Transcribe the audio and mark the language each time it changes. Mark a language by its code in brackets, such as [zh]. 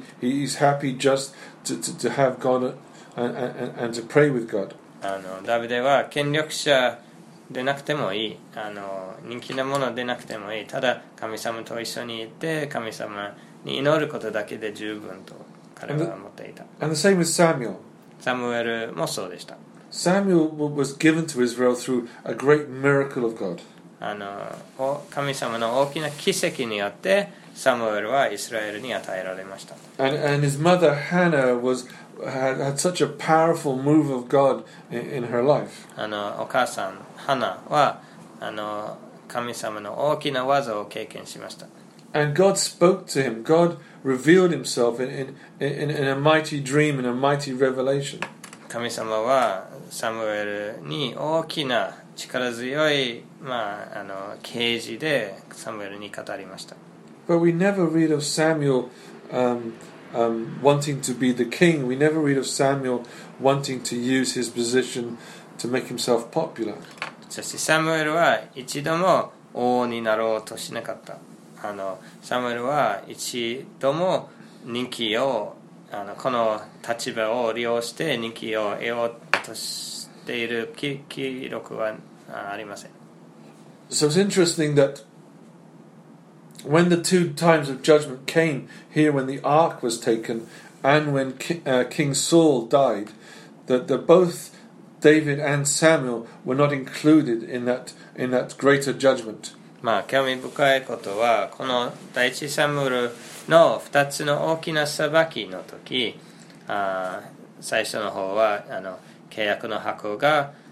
[en] He's happy just to have God and to pray with God. [ja] あのダビデは権力者でなくてもいい、あの人気なものでなくてもいい、ただ神様と一緒にいて神様に祈ることだけで十分と彼は思っていた。 [en] And the same with Samuel. [ja] サムエルもそうでした。 [en] Samuel was given to Israel through a great miracle of God. [ja] あの神様の大きな奇跡によってサムエルはイスラエルに与えられました。 [en] And his mother Hannah had such a powerful move of God in her life. [ja] あのお母さんハナはあの神様の大きな技を経験しました。 [en] And God spoke to him. God revealed himself in a mighty dream, in a mighty revelation. [ja] 神様はサムエルに大きな力強い、まあ、あの啓示でサムエルに語りました。 [en] But we never read of Samuel wanting to be the king. We never read of Samuel wanting to use his position to make himself popular. [ja] そしてサムエルは一度も王になろうとしなかった。あのサムエルは一度も人気をあのこの立場を利用して人気を得ようとしている記録はありません。 [en] So it's interesting that when the two times of judgment came here, when the ark was taken and when King Saul died, that the bothDavid and Samuel were not included in that greater judgment. [ja] まあ興味深いことはこの第一サムエルの二つの大きな裁きの時、最初の方はあの契約の箱が